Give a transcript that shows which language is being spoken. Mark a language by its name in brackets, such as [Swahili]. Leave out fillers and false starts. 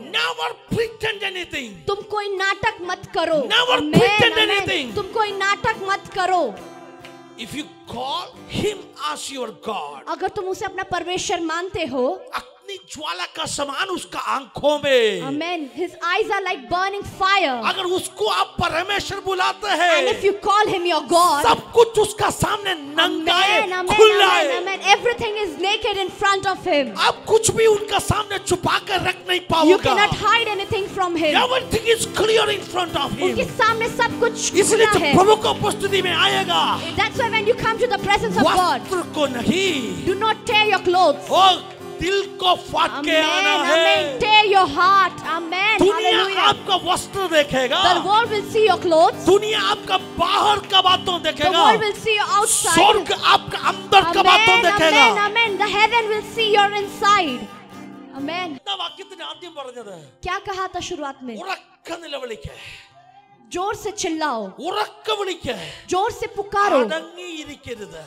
[English] Never pretend anything. [Hindi] तुम कोई नाटक मत करो [English] Never pretend anything. [Hindi] तुम कोई नाटक मत करो [English] If you call him as your God, [Hindi] अगर तुम उसे अपना परमेश्वर मानते हो अपने अग्नि ज्वाला का समान उसका आंखों में. [English] Amen. His eyes are like burning fire. [Hindi] अगर उसको आप परमेश्वर बुलाते हैं. [English] And if you call him your God. [Hindi] सब कुछ उसका सामने नंगा है, खुला है. Amen. [English] Everything is naked in front of him. [Hindi] आप कुछ भी उनका सामने छुपा कर रख नहीं पाओगे. [English] You cannot hide anything from him. Everything is clear in front of him. [Hindi] उनके सामने सब कुछ खुला है. इसलिए जब प्रभु की उपस्थिति में आएगा. [English] That's why when you come to the presence of God. [Hindi] वस्त्र को नहीं. [English] Do not tear your clothes. [Hindi] Oh. दिल को फाट के आना है. [English] Tear your heart. Amen. [Hindi] दुनिया आपका वस्त्र देखेगा. [English] The world will see your clothes. [Hindi] दुनिया आपका बाहर का बातों देखेगा. [English] The world will see your outside. [Hindi] स्वर्ग आपका अंदर का बातों देखेगा. [English] Amen. Amen. The heaven will see your inside. Amen. [Hindi] इतना वाक्य तुमने आदमी बोल दिया था. क्या कहा था शुरुआत में? [Malayalam] उरक्कन लेवली के. [Hindi] जोर से चिल्लाओ. [Malayalam] उरक्क विलिके. [Hindi] जोर से पुकारो. [Malayalam] अडंगी इरिकेरद.